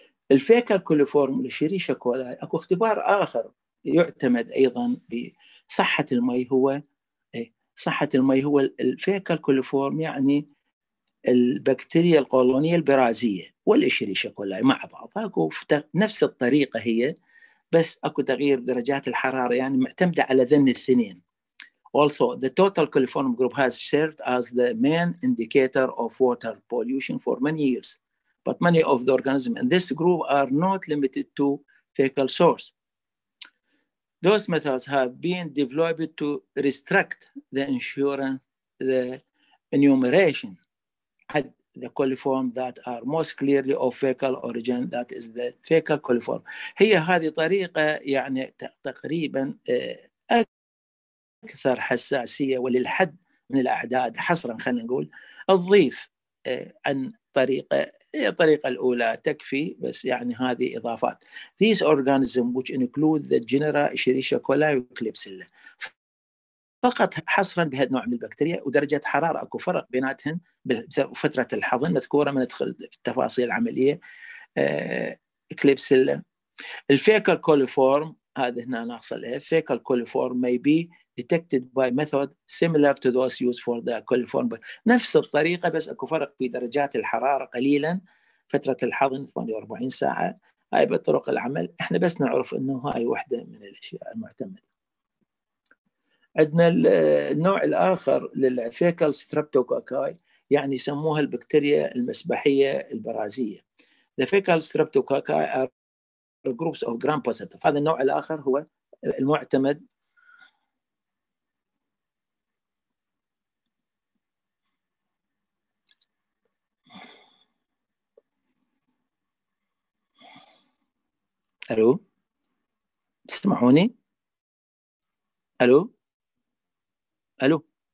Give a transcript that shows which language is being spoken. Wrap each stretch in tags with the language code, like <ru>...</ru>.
<ar>الفيكر كوليفورم لشريشة كولاي أكو اختبار آخر يعتمد أيضا بصحة المي هو صحة المي هو الفيكال كوليفورم، يعني البكتيريا القولونية البرازية والإشريشة كولاي مع بعض. أكو نفس الطريقة هي بس أكو تغيير درجات الحرارة يعني معتمدة على ذن الاثنين.</ar> <en>Also the total coliform group has served as the main indicator of water pollution for many years but many of the organisms in this group are not limited to fecal source. Those methods have been developed to restrict the insurance, the enumeration at the coliform that are most clearly of fecal origin, that is the fecal coliform.</en> <ar>هي هذه طريقة يعني تقريبا أكثر حساسية وللحد من الأعداد حصرا خلينا نقول الضيف عن طريقة. هي الطريقة الأولى تكفي بس يعني هذه إضافات.</ar> <en>These organisms which include the genera Escherichia coli and Klebsiella</en> <ar>فقط حصرا بهذا النوع من البكتيريا ودرجة حرارة أكو فرق بيناتهن بفترة الحضن مذكورة ما ندخل في التفاصيل العملية.</ar> <en>Klebsiella</en> <ar>الفيكال كوليفورم هذا هنا نحصل إيه فيكال كوليفورم</ar> <en>may be detected by method similar to those used for the coliform.</en> <ar>نفس الطريقة بس أكو فرق في درجات الحرارة قليلا فترة الحضن 48 ساعة. هاي بطرق العمل إحنا بس نعرف إنه هاي واحدة من الأشياء المعتمدة. عندنا النوع الآخر للفيكال ستريبتوكوكاي يعني يسموها البكتيريا المسبحية البرازية.</ar> <en>The fecal streptococci are groups of gram positive.</en> <ar>هذا النوع الآخر هو المعتمد. ألو تسمعوني؟ ألو ألو</ar>